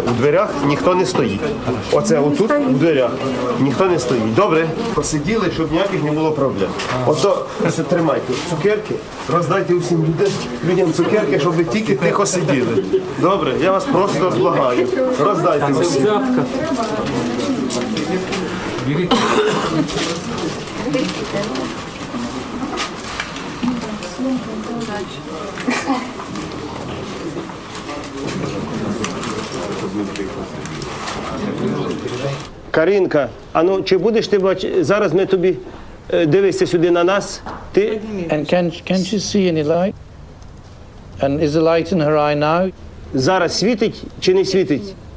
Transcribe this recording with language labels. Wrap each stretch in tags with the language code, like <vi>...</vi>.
<uk>У дверях ніхто не стоїть. Оце отут у дверях ніхто не стоїть. Добре. Посиділи, щоб ніяких не було проблем. Ото це тримайте цукерки. Роздайте усім людям цукерки, щоб ви тільки тихо сиділи. Добре, я вас просто благаю. Роздайте усім. Це взятка. Каринка, а ну чи будеш ти бачити? Зараз ми тобі дивишся сюди на нас. Ти...</uk> <en>And can she see any light? And is the light in her eye now?</en> <uk>Зараз світить чи не світить?</uk>